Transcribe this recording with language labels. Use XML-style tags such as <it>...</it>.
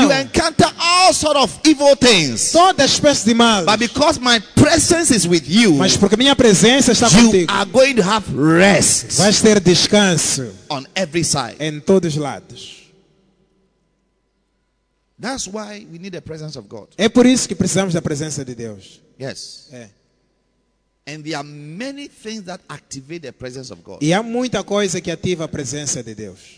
<en>You will encounter all sort of evil things.</en> <pt>Toda espécie de mal.</pt> <en>But because my presence is with you.</en> <pt>Mas porque minha presença está</pt> <en>you</en> <pt>contigo.</pt> <en>You are going to have rest.</en> <pt>Vais ter descanso.</pt> <en>On every side.</en> <pt>Em todos os lados.</pt> <en>That's why we need the presence of God.</en> <pt>É por isso que precisamos da presença de Deus.</pt> <en>Yes.</en> <pt>É.</pt> <en>And there are many things that activate the presence of God.</en> <pt>E há muita coisa que ativa a presença de Deus.</pt>